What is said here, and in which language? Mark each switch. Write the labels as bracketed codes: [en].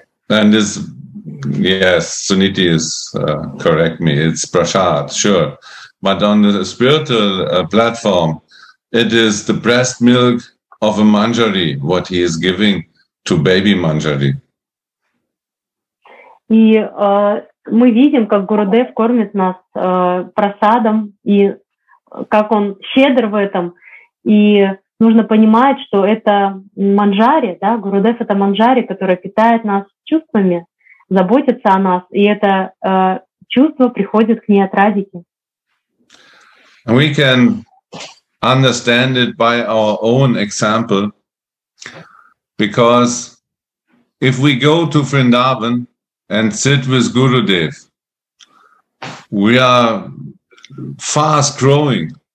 [en] And this... Yes, Suniti is correct me. It's prashad, sure, but on the spiritual platform, it is the breast milk of a manjari what he is giving to baby manjari. [ru] И мы видим, как Гурудев кормит нас прасадом, и как он щедр в этом. И нужно понимать, что это манджари, да? Гурудев — это манджари, которая питает нас чувствами, заботится о нас, и это чувство приходит к ней от Радики. [en] We can understand it by our own example, because if we go to Vrindavan and sit with Gurudev, we are fast growing.